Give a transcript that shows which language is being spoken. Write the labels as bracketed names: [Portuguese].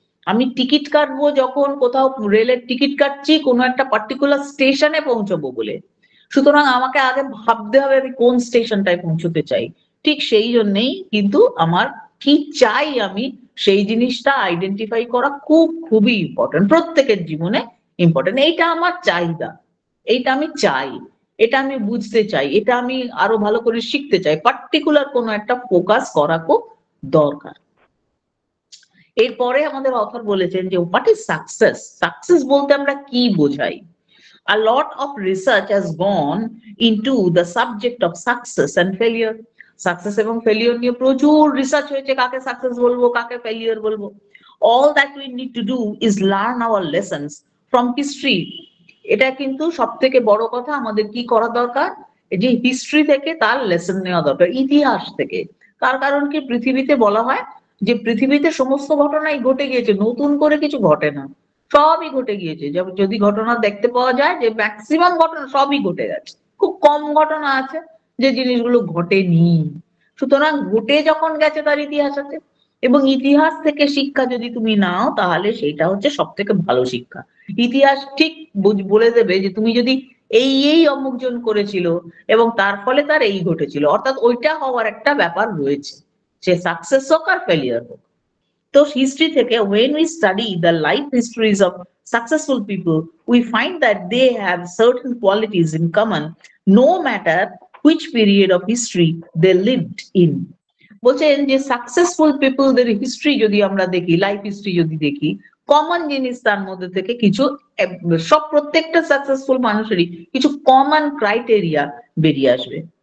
[Bangla] আমি টিকিট কাটবো যখন কোথাও রেলের টিকিট কাটছি কোনো একটা পার্টিকুলার স্টেশনে পৌঁছবো বলে, সুতরাং আমাকে আগে ভাবতে হবে আমি কোন স্টেশনটায় পৌঁছতে চাই, ঠিক সেই জন্যেই কিন্তু আমার কি চাই আমি সেই জিনিসটা আইডেন্টিফাই করা খুবই ইম্পর্টেন্ট, প্রত্যেকের জীবনে ইম্পর্টেন্ট, এইটা আমার চাহিদা, এইটা আমি চাই, এটা আমি বুঝতে চাই, এটা আমি আরো ভালো করে শিখতে চাই, পার্টিকুলার কোনো একটা ফোকাস করা খুব দরকার। এরপরে আমাদের অথর বলেছেন যে [English] what is success, [Bangla] সাকসেস বলতে আমরা কি বোঝাই, [English] A lot of research has gone into the subject of success and failure. [Bangla] Success এবং failure নিয়ে প্রচুর research হয়েছে, কাকে success বলবো কাকে failure বলবো. [English] All that we need to do is learn our lessons from history. [Bangla] এটা কিন্তু সব থেকে বড় কথা, আমাদের কি করা দরকার, যে history থেকে তার lesson নেওয়া দরকার, ইতিহাস থেকে. তার কারণ কি, পৃথিবীতে বলা হয় যে পৃথিবীতে সমস্ত ঘটনাই ঘটে গিয়েছে, নতুন করে কিছু ঘটে না, সবই ঘটে গিয়েছে. যদি ঘটনা দেখতে পাওয়া যায় যে ম্যাক্সিমাম ঘটনা সবই ঘটে গেছে, খুব কম ঘটনা আছে যে জিনিসগুলো ঘটেনি. সুতরাং ঘটে যখন গেছে তার ইতিহাস আছে, এবং ইতিহাস থেকে শিক্ষা যদি তুমি নাও তাহলে সেটা হচ্ছে সব থেকে ভালো শিক্ষা. ইতিহাস ঠিক বলে দেবে যে তুমি যদি এই এই অমুকজন করেছিল এবং তার ফলে তার এই ঘটেছিল, অর্থাৎ ওইটা হওয়ার একটা ব্যাপার রয়েছে, সে সাকসেস হোক আর ফেলিয়ার হোক. তো হিস্ট্রি থেকে, [English] when we study the life histories of successful people, we find that they have certain qualities in common, no matter which period of history they lived in. [Bangla] বলছেন যে successful people দের history যদি আমরা দেখি, life history যদি দেখি, common জিনিস তার মধ্যে থেকে কিছু, সব প্রত্যেকটা successful মানুষেরই কিছু common criteria বেরিয়ে আসবে.